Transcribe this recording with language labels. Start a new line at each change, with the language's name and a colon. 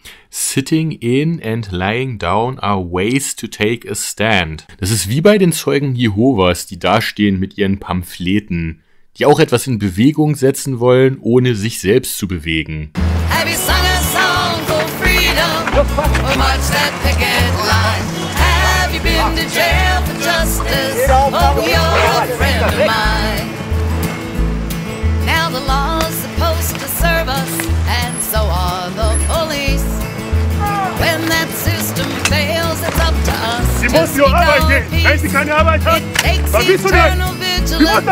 English: Sitting in and lying down are ways to take a stand.
German: Das ist wie bei den Zeugen Jehovas, die dastehen mit ihren Pamphleten, die auch etwas in Bewegung setzen wollen, ohne sich selbst zu bewegen.
English: Have you sung a song for freedom? Or marched that picket line? Have you been to jail for justice? Oh, you're a friend of mine. Now the law's supposed to serve us, and so are the police. When that system fails, it's up to us.
German: Sie muss nur arbeiten. Wenn sie keine Arbeit hat, was willst du denn?